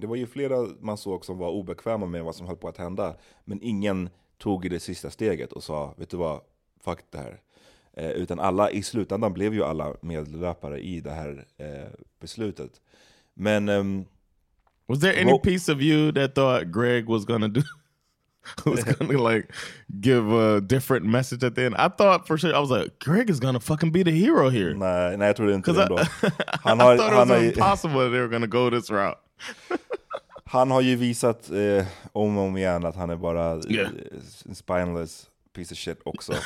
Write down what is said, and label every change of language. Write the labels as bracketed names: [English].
[Swedish] Det var ju flera man såg som var obekväma med vad som höll på att hända. Men ingen tog det sista steget och sa, vet du vad, fuck det här. Utan alla, i slutändan blev ju alla medlöpare i det här beslutet. Men [English] was there any piece of you that thought Greg was gonna do was gonna like give a different message at the end? I thought for sure, I was like, Greg is gonna fucking be the hero here. [Swedish] Nej, jag trodde inte det ändå. [English] I thought it was impossible that they were gonna go this route. [Swedish] Han har ju visat om och om igen att han är bara [English] spineless piece of shit [Swedish] också.